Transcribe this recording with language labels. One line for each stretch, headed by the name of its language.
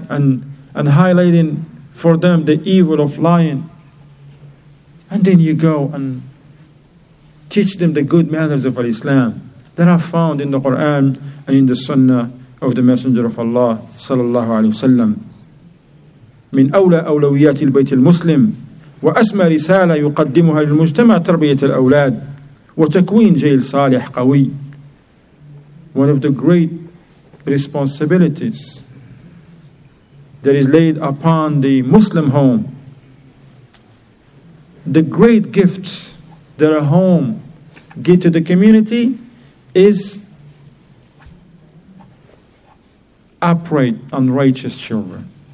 English: And highlighting for them the evil of lying. And then you go and teach them the good manners of Al-Islam that are found in the Quran and in the Sunnah of the Messenger of Allah sallallahu alaihi wasallam.
Arabic: من أولى أولويات البيت المسلم وأسمى رسالة يقدمها للمجتمع تربية الأولاد وتكوين جيل صالح قوي.
English: One of the great responsibilities that is laid upon the Muslim home, the great gift that a home gives to the community, is upright and righteous children.